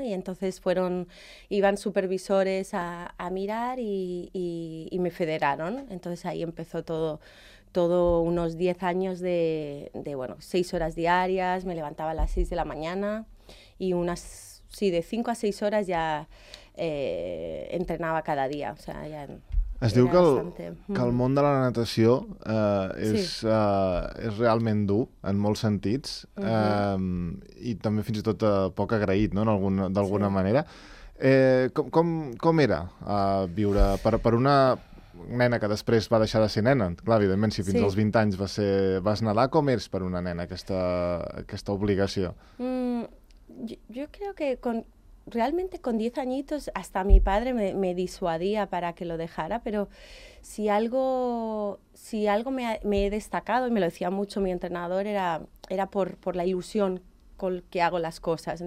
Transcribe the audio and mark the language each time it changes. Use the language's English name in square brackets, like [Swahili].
[Spanish] Y entonces iban supervisores a mirar y me federaron. Entonces ahí empezó todo unos 10 años de 6 horas diarias, me levantaba a las 6 de la mañana y unas, sí, de 5 a 6 horas ya entrenaba cada día, o sea, ya... [Catalan] Es diu que el món de la natació és realment dur, en molts sentits, i també fins i tot poc agraït, no?, d'alguna manera. Com era viure per una nena que després va deixar de ser nena? Clar, evidentment, si fins als 20 anys vas nedar, com és per una nena aquesta obligació? Jo crec que... [Spanish] Realmente con 10 añitos hasta mi padre me disuadía para que lo dejara, pero si algo me he destacado, y me lo decía mucho mi entrenador, era por la ilusión con que hago las cosas.